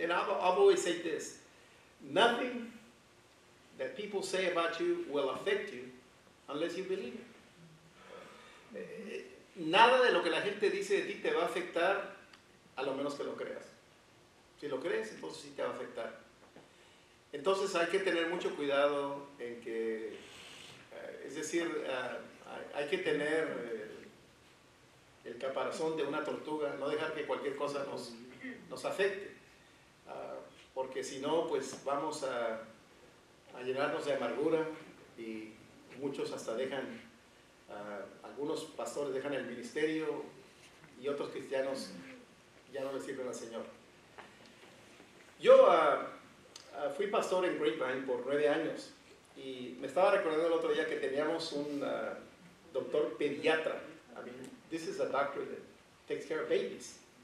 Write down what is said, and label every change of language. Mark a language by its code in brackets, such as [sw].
[en] And I've always said this, nothing that people say about you will affect you unless you believe it. [es] Nada de lo que la gente dice de ti te va a afectar a lo menos que lo creas. Si lo crees, entonces sí te va a afectar. Entonces hay que tener mucho cuidado en que, es decir, hay que tener el caparazón de una tortuga, no dejar que cualquier cosa nos afecte. porque si no, pues vamos a llenarnos de amargura, y muchos hasta dejan, algunos pastores dejan el ministerio y otros cristianos ya no le sirven al Señor. Yo fui pastor en Grapevine por 9 años y me estaba recordando el otro día que teníamos un doctor pediatra. [en] I mean, this is a doctor that takes care of babies.